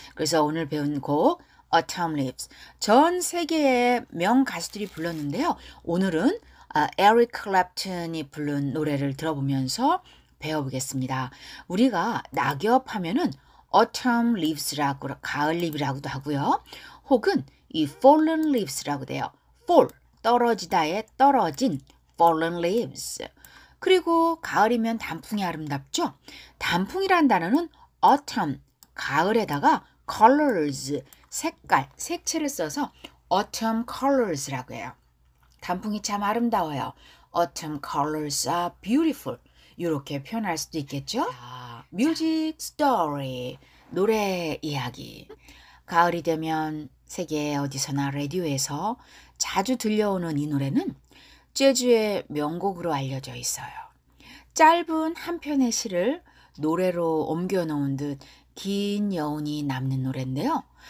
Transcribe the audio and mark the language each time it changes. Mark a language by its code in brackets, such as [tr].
[ko] 그래서 오늘 배운 곡 Autumn Leaves. 전 세계의 명 가수들이 불렀는데요. 오늘은 에릭 클랩튼이 부른 노래를 들어보면서 배워보겠습니다. 우리가 낙엽 하면은 Autumn Leaves라고, 가을잎이라고도 하고요. 혹은 이 fallen leaves라고 돼요. fall, 떨어지다에 떨어진 fallen leaves. 그리고 가을이면 단풍이 아름답죠? 단풍이란 단어는 autumn, 가을에다가 colors, 색깔, 색채를 써서 autumn colors라고 해요. 단풍이 참 아름다워요. [en] autumn colors are beautiful. [ko] 이렇게 표현할 수도 있겠죠? 자, [en] music story, [ko] 노래 이야기. 가을이 되면 세계 어디서나 라디오에서 자주 들려오는 이 노래는 재즈의 명곡으로 알려져 있어요. 짧은 한 편의 시를 노래로 옮겨놓은 듯 긴 여운이 남는 노래인데요.